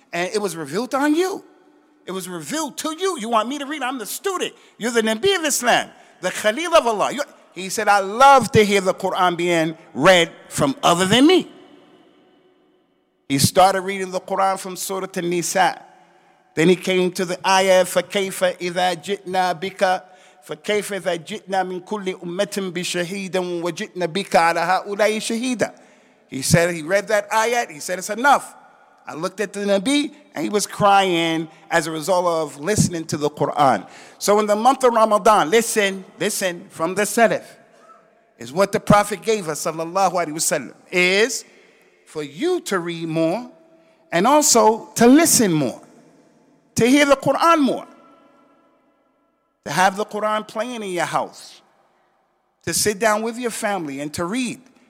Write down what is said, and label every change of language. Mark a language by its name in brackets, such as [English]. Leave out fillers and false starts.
[English] And it was revealed on you. It was revealed to you. You want me to read? I'm the student. You're the Nabi of Islam, the Khalil of Allah. He said, I love to hear the Quran being read from other than me. He started reading the Quran from Surah An-Nisa. Then he came to the ayah, [Arabic] فَكَيْفَ إِذَا جِئْنَا بِكَ فَكَيْفَ إِذَا جِئْنَا مِنْ كُلِّ أُمَّةٍ بِشَهِيدًا وَجِئْنَا بِكَ عَلَى هَؤُلَاءِ شَهِيدًا. [English] He said, he read that ayat, he said, it's enough. I looked at the Nabi, and he was crying as a result of listening to the Quran. So in the month of Ramadan, listen, from the Salaf, is what the Prophet gave us, sallallahu alayhi wasallam, is for you to read more, and also to listen more, to hear the Quran more, to have the Quran playing in your house, to sit down with your family and to read.